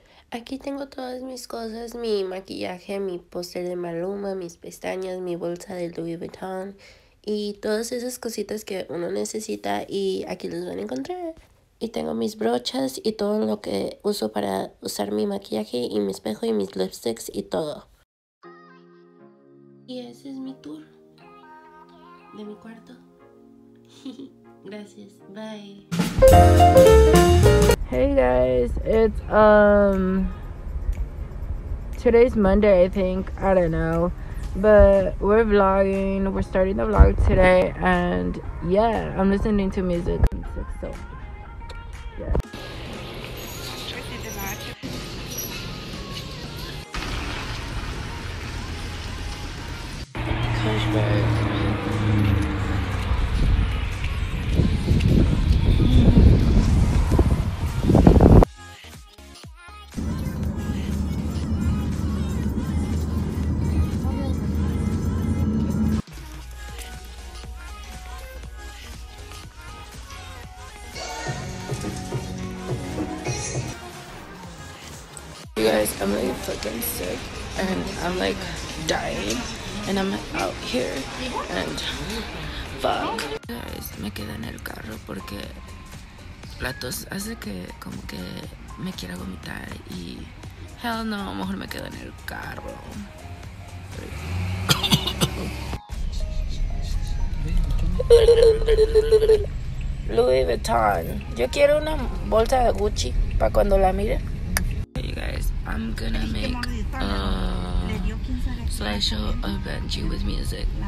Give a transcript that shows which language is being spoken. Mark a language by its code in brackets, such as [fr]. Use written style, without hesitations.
[es] Aquí tengo todas mis cosas, mi maquillaje, mi póster de Maluma, mis pestañas, mi bolsa de Louis Vuitton y todas esas cositas que uno necesita y aquí los van a encontrar. Y tengo mis brochas y todo lo que uso para usar mi maquillaje y mi espejo y mis lipsticks y todo. Y ese es mi tour de mi cuarto. Gracias, bye. [en] Hey guys, it's today's Monday, I think, I don't know, but we're vlogging, we're starting the vlog today, and yeah, I'm listening to music, so, yeah. Check the vlog. Coach bag. I'm like fucking sick and I'm like dying and I'm out here and fuck. [es] Guys, me quedé en el carro porque la tos hace que como que me quiera vomitar y [en] hell no, [es] mejor me quedo en el carro. Louis Vuitton. Yo quiero una bolsa de Gucci para cuando la mire. [en] I'm gonna make a slideshow of Benji with music.